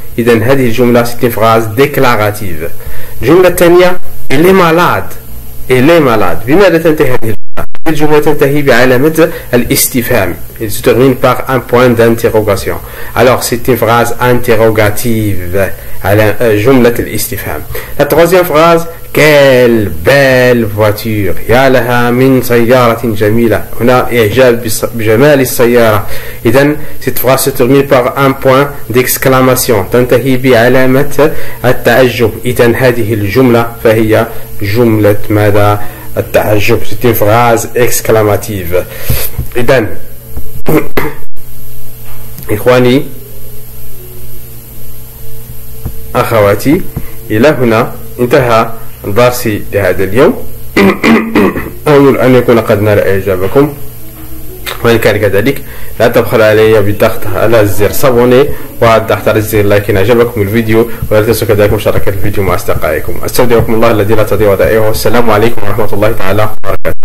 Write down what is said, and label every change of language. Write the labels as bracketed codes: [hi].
[ar] إذن هذه الجملة [fr] c'est une phrase déclarative. [ar] الجملة الثانية [fr] il est malade. Il est malade. [ar] بماذا تنتهي هذه الجملة؟ الجملة تنتهي بعلامة الاستفهام. [fr] Il se termine par un point d'interrogation. Alors c'est une phrase interrogative. [ar] جملة الاستفهام. [fr] La troisième phrase quelle belle voiture. [ar] يا لها من سيارة جميلة. هنا إعجاب بجمال السيارة. [fr] إذن cette phrase se termine par un point d'exclamation. [ar] تنتهي بعلامة التعجب. إذن هذه الجملة فهي جملة ماذا؟ التعجب. [fr] C'est une phrase exclamative. [ar] إذن إخواني أخواتي، إلى هنا انتهى درسي لهذا اليوم. أمل أن يكون قد نال إعجابكم، وإن كان كذلك لا تبخل علي بالضغط على زر سابوني والضغط على زر لايك إن أعجبكم الفيديو، ولا تنسوا كذلك مشاركة الفيديو مع أصدقائكم. أستودعكم الله الذي لا تضيع ودائعه. السلام عليكم ورحمة الله تعالى وبركاته.